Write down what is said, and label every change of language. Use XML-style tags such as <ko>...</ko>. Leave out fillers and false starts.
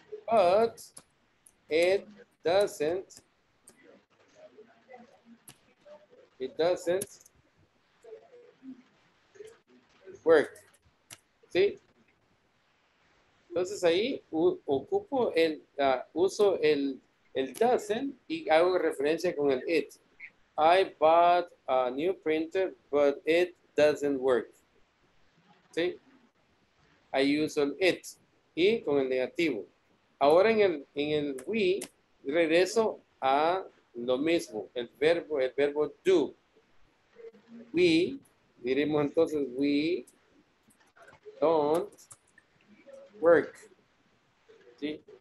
<en>But it doesn't work. ¿Sí?</en> <es>Entonces ahí ocupo uso el doesn't y hago referencia con el it.</es> <en>I bought a new printer, but it doesn't work.</en> <es>¿Sí?</es> <en>I use</en> <es>el it y con el negativo. Ahora en el we regreso a lo mismo, el verbo do. We diremos entonces</es> <en>we don't work.</en> <es>¿Sí?</es>